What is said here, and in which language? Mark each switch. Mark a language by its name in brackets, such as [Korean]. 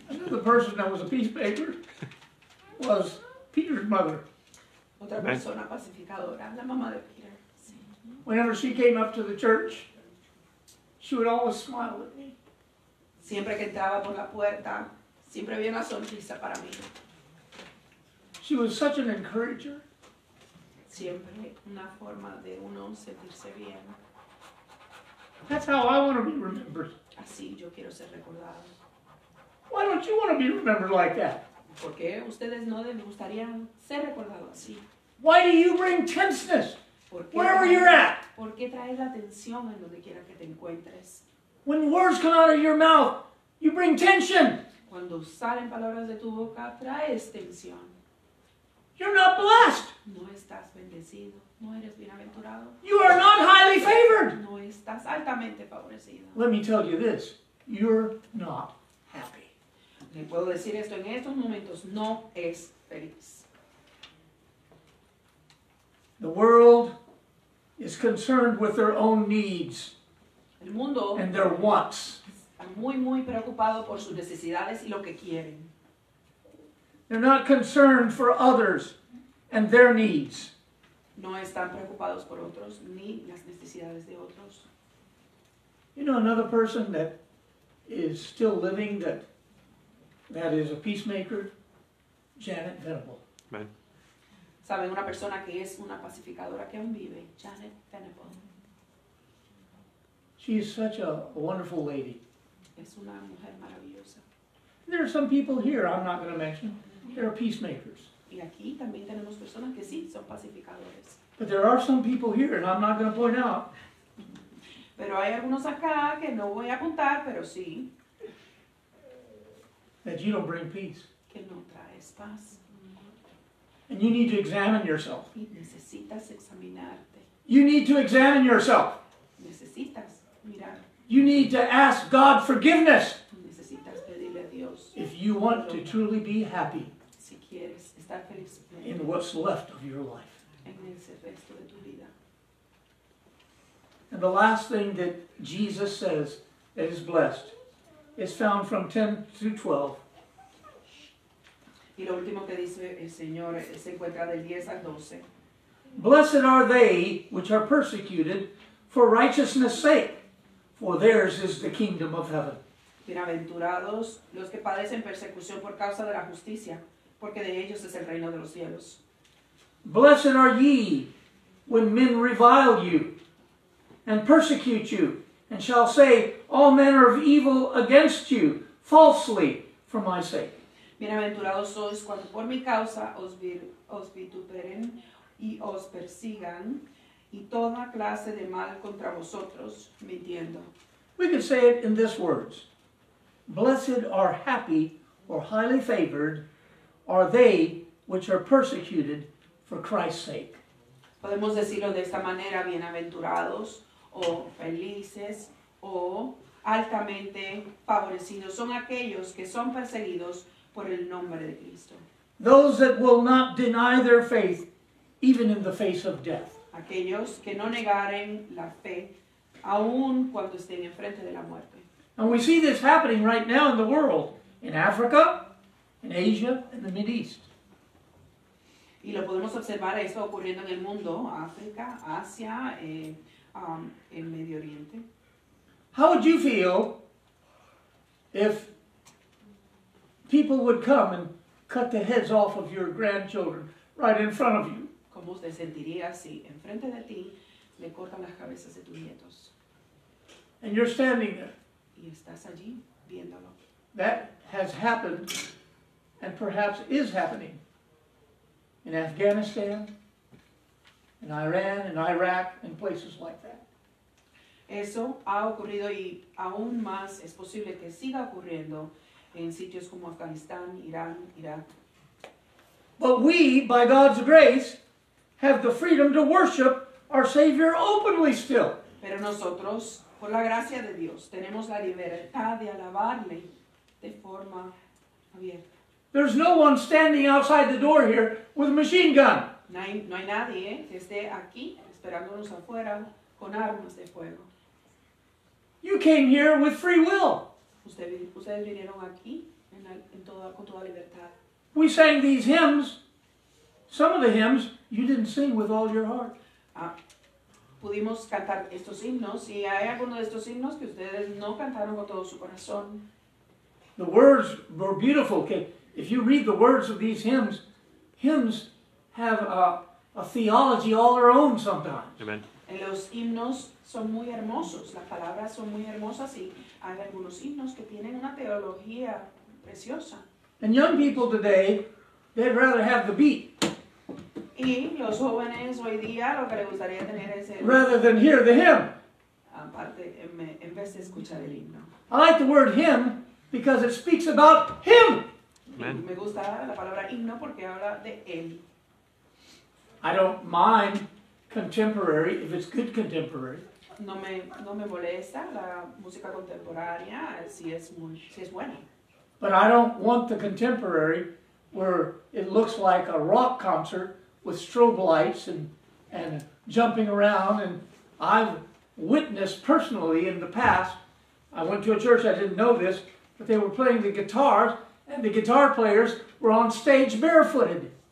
[English] The person that was a peacemaker was Peter's mother. [Spanish] Otra persona pacificadora, la mamá de Peter. [English] Whenever she came up to the church, she would always smile at me. [Spanish] Siempre que entraba por la puerta, siempre había una sonrisa para mí. [English] She was such an encourager. [Spanish] Siempre una forma de uno sentirse bien. [English] That's how I want to be remembered. [Spanish] Así yo quiero ser recordado. [English] Why don't you want to be remembered like that? [Spanish] ¿Por qué ustedes no les gustaría ser recordado así? [English] Why do you bring tenseness? Wherever you're at. [Spanish] ¿Por qué traes la tensión en donde quiera que te encuentres? [English] When words come out of your mouth, you bring tension. [Spanish] Cuando salen palabras de tu boca, traes tensión. [English] You're not blessed. [Spanish] No estás bendecido. No eres bienaventurado. [English] You are not highly favored. [Spanish] No estás altamente favorecido. [English] Let me tell you this. You're not happy. [Spanish] Le puedo decir esto en estos momentos. No es feliz. [English] The world is concerned with their own needs [Spanish] el mundo [English] and their wants. [Spanish] Está muy, muy preocupado por sus necesidades y lo que quieren. [English] They're not concerned for others and their needs. [Spanish] No están preocupados por otros ni las necesidades de otros. [English] You know another person that is still living that is a peacemaker? Janet Venable. Amen. [Spanish] ¿Saben una persona que es una pacificadora que aún vive? Janet Venable. [English] She is such a wonderful lady. [Spanish] Es una mujer maravillosa. [English] There are some people here I'm not going to mention. There are peacemakers. [Spanish] Y aquí también tenemos personas que sí son pacificadores. [English] But there are some people here and I'm not going to point out. [Spanish] Pero hay algunos acá que no voy a apuntar, pero sí. [English] That you don't bring peace. [Spanish] Que no traes paz. [English] And you need to examine yourself. [Spanish] Necesitas examinarte. [English] You need to examine yourself. [Spanish] Necesitas mirar. [English] You need to ask God forgiveness. [Spanish] Necesitas pedirle a Dios. [English] If you want to truly be happy. [Spanish] Si quieres estar feliz. [English] In what's left of your life. [Spanish] En el resto de tu vida. [English] And the last thing that Jesus says that is blessed is found from 10 through 12. [Spanish] Y lo último que dice el Señor se encuentra del 10 al 12. [English] Blessed are they which are persecuted for righteousness' sake, for theirs is the kingdom of heaven. [Spanish] Bienaventurados los que padecen persecución por causa de la justicia, porque de ellos es el reino de los cielos. [English] Blessed are ye when men revile you and persecute you and shall say all manner of evil against you falsely for my sake. [Spanish] Bienaventurados sois cuando por mi causa os vituperen y os persigan y toda clase de mal contra vosotros mintiendo. [English] We can say it in these words. Blessed are happy or highly favored are they which are persecuted for Christ's sake. [Spanish] Podemos decirlo de esta manera, bienaventurados o felices o altamente favorecidos son aquellos que son perseguidos por el nombre de Cristo. [English] Those that will not deny their faith even in the face of death. [Spanish] Aquellos que no negaren la fe aun cuando estén enfrente de la muerte. [English] And we see this happening right now in the world, in Africa, in Asia, and the Middle East. [Spanish] Y lo podemos observar esto ocurriendo en el mundo, África, Asia, el Medio Oriente. [English] How would you feel if people would come and cut the heads off of your grandchildren right in front of you? [Spanish] ¿Cómo te sentirías si enfrente de ti le cortan las cabezas de tus nietos? [English] And you're standing there. [Spanish] Y estás allí viéndolo. [English] That has happened and perhaps is happening in Afghanistan, in Iran, in Iraq, in places like that. [Spanish] Eso ha ocurrido y aún más es posible que siga ocurriendo en sitios como Afganistán, Irán, Irak. [English] But we, by God's grace, have the freedom to worship our Savior openly still. [Spanish] Pero nosotros, por la gracia de Dios, tenemos la libertad de alabarle de forma abierta. [English] There's no one standing outside the door here with a machine gun. [Spanish] No hay nadie que esté aquí esperándonos afuera con armas de fuego. [English] You came here with free will. [Spanish] Ustedes vinieron aquí con toda libertad. [English] We sang these hymns. Some of the hymns you didn't sing with all your heart. [Spanish] Pudimos cantar estos himnos y hay algunos de estos himnos que ustedes no cantaron con todo su corazón. [English] The words were beautiful. If you read the words of these hymns, hymns have a theology all their own sometimes. Amen. [Spanish] En los himnos son muy hermosos. Las palabras son muy hermosas y hay algunos himnos que tienen una teología preciosa. [English] And young people today, they'd rather have the beat. [Spanish] Y los jóvenes hoy día lo que les gustaría tener es el... [English] Rather than hear the hymn. [Spanish] Aparte, en vez de escuchar el himno. [English] I like the word hymn because it speaks about him. Amen. [Spanish] Me gusta la palabra himno porque habla de él. [English] I don't mind contemporary if it's good contemporary. [Spanish] No me molesta la música contemporánea si es buena. [English] But I don't want the contemporary where it looks like a rock concert with strobe lights and jumping around. And I've witnessed personally in the past, I went to a church, I didn't know this, but they were playing the guitars and the guitar players were on stage barefooted.